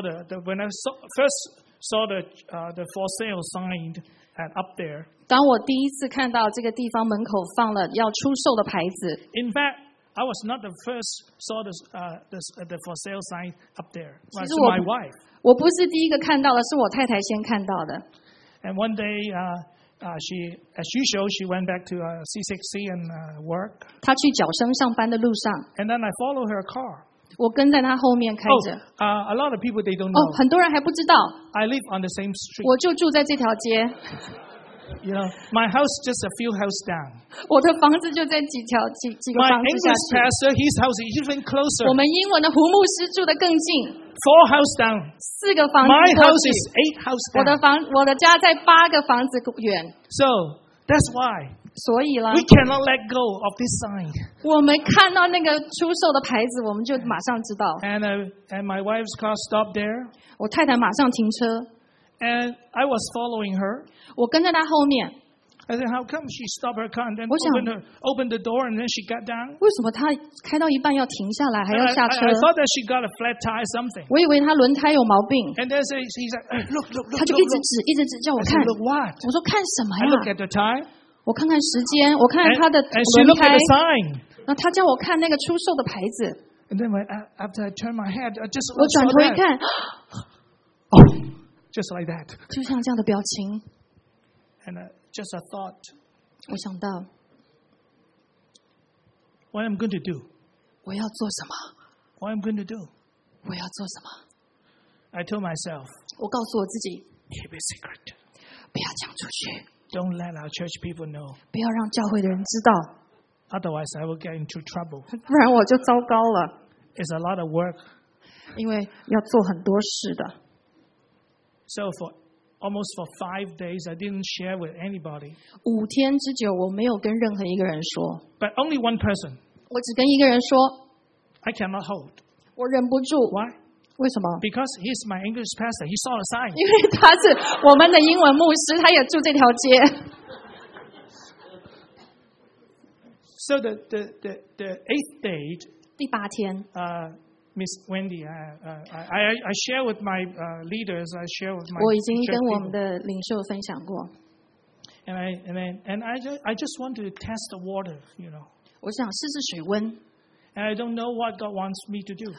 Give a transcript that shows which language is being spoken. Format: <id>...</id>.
<en>When I first saw the for sale sign and up there.</en> <zh>当我第一次看到这个地方门口放了要出售的牌子。</zh> <en>In fact. I was not the first saw the for sale sign up there. It was my wife.</en> <zh>我不是第一个看到的，是我太太先看到的。</zh> <en>And one day, she, as usual, she went back to C6C and work.</en> <zh>她去脚生上班的路上。</zh> <en>And then I follow her car.</en> <zh>我跟在她后面开着。</zh> <en>A lot of people they don't know.</en> <zh>很多人还不知道。</zh> <en>I live on the same street.</en> <zh>我就住在这条街。</zh> <en>You know, my house just a few houses down.</en> <zh>我的房子就在几条几几个房子下去。</zh> <en>My English pastor, his house is even closer.</en> <zh>我们英文的胡牧师住得更近。</zh> <en>Four houses down.</en> <zh>四个房子。</zh> <en>My house is eight houses down.</en> <zh>我的家在八个房子远。</zh> <en>So that's why.</en> <zh>所以啦。</zh> <en>We cannot let go of this sign.</en> <zh>我们看到那个出售的牌子，我们就马上知道。</zh> <en>And my wife's car stopped there.</en> <zh>我太太马上停车。</zh> <en>And I was following her.</en> <zh>我跟在她后面。</zh> <en>I said, "How come she stopped her car and then opened the door and then she got down?"</en> <zh>为什么她开到一半要停下来，还要下车</zh> <en>I thought that she got a flat tire something.</en> <zh>我以为她轮胎有毛病。</zh> <en>And then she's like, "Look."</en> <zh>她就一直指，一直指叫我看。</zh> <en>I said, "Look what?"</en> <zh>我说看什么呀</zh> <en>？I look at the tire.</en> <zh>我看看时间，我看看她的轮胎。</zh> <en>And she looked at the sign.</en> <zh>那她叫我看那个出售的牌子。</zh> <en>And then when after I turned my head, I just</en> <zh>我转头一看。</zh> <en>Just like that.</en> <zh>就像这样的表情。</zh> <en>And just a thought.</en> <zh>我想到。</zh> <en>What am I going to do?</en> <zh>我要做什么</zh> <en>？What am I going to do?</en> <zh>我要做什么</zh> <en>？I told myself.</en> <zh>我告诉我自己。</zh> <en>Keep it secret.</en> <zh>不要讲出去。</zh> <en>Don't let our church people know.</en> <zh>不要让教会的人知道。</zh> <en>Otherwise, I will get into trouble.</en> <zh>不然我就糟糕了。</zh> <en>It's a lot of work.</en> <zh>因为要做很多事的。</zh> <en>So for almost for 5 days, I didn't share with anybody.</en> <zh>五天之久，我没有跟任何一个人说。</zh> <en>But only one person.</en> <zh>我只跟一个人说。</zh> <en>I cannot hold.</en> <zh>我忍不住。</zh> <en>Why?</en> <zh>为什么</zh> <en>？Because he's my English pastor. He saw the sign.</en> <zh>因为他是我们的英文牧师，他也住这条街。</zh> <en>So the eighth day.</en> <zh>第八天。</zh> <en>Miss Wendy, I share with my leaders. I share with my.</en> <zh>我已经跟我们的领袖分享过。</zh> <en>And I just want to test the water, you know.</en> <zh>我想试试水温。</zh> <en>And I don't know what God wants me to do.</en>